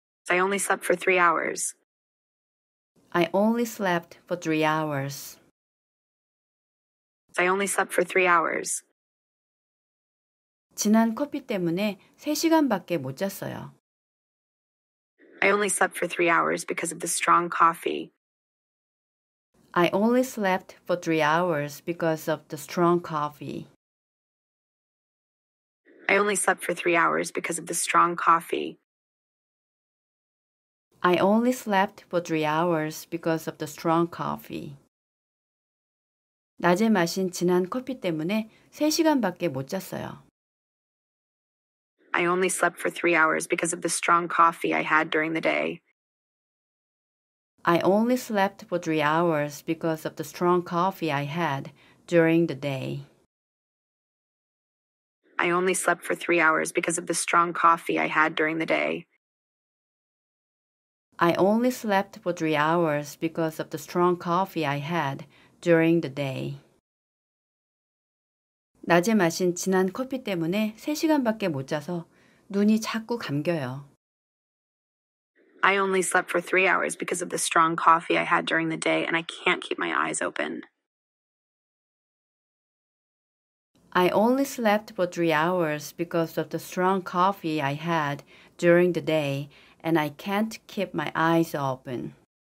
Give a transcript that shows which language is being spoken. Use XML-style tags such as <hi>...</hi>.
<en>I only slept for 3 hours. I only slept for 3 hours. I only slept for 3 hours.</en> <ko>진한 커피 때문에 3시간밖에 못 잤어요.</ko> <en>I only slept for 3 hours because of the strong coffee. I only slept for 3 hours because of the strong coffee. I only slept for 3 hours because of the strong coffee. I only slept for 3 hours because of the strong coffee.</en> <ko>낮에 마신 진한 커피 때문에 3시간밖에 못 잤어요.</ko> <en>I only slept for 3 hours because of the strong coffee I had during the day. I only slept for 3 hours because of the strong coffee I had during the day. I only slept for 3 hours because of the strong coffee I had during the day. I only slept for 3 hours because of the strong coffee I had during the day.</en> <ko>낮에 마신 진한 커피 때문에 3시간밖에 못 자서 눈이 자꾸 감겨요.</ko> <en>I only slept for 3 hours because of the strong coffee I had during the day and I can't keep my eyes open. I only slept for 3 hours because of the strong coffee I had during the day and I can't keep my eyes open.</en>